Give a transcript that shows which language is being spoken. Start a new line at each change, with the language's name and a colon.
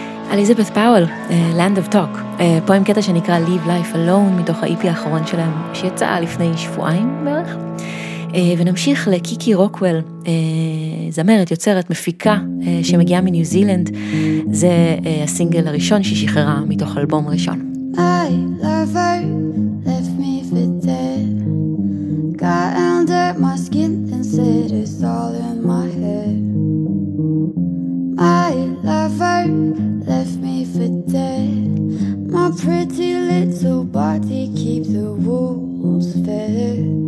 Hebrew: אליזבת פאוול, Land of Talk. פה עם קטע שנקרא Live Life Alone, מתוך ה-EP האחרון שלהם, שיצא לפני שבועיים בערך. ונמשיך לקיקי רוקוול, זמרת, יוצרת, מפיקה, שמגיעה מניו זילנד. זה הסינגל הראשון ששחררה מתוך אלבום ראשון.
English: I love her, left me for dead. Got under my skin and said it's all in my head. I love her, left me for dead. My pretty little body keep the wolves fed.